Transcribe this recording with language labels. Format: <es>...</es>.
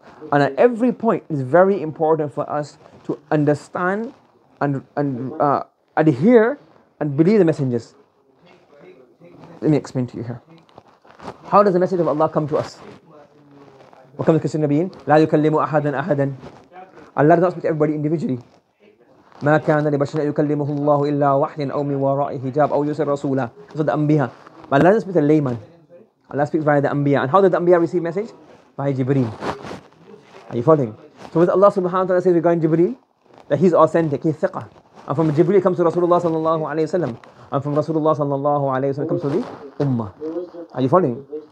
<en>And at every point, it's very important for us to understand and adhere and believe the messengers. Let me explain to you here. How does the message of Allah come to us? What comes to Kisir Nabiyin?</en> <ar>La yukallimu ahadan ahadan.</ar> <en>Allah does not speak to everybody individually.</en> <ar>ما كان لبشر يكلمه الله إلا وحي أو من وراء حجاب أو يرسل رسولا.</ar> <en>So the Anbiya. But Allah doesn't speak to the layman. Allah speaks via the Anbiya. And how did the Anbiya receive message? By Jibreel. Are you following? So what Allah subhanahu wa ta'ala says regarding Jibreel? That he's authentic, he's thiqah. And from Jibreel comes to Rasulullah sallallahu alayhi wa sallam. And from Rasulullah sallallahu alayhi wa sallam comes to the Ummah. Are you following?</en>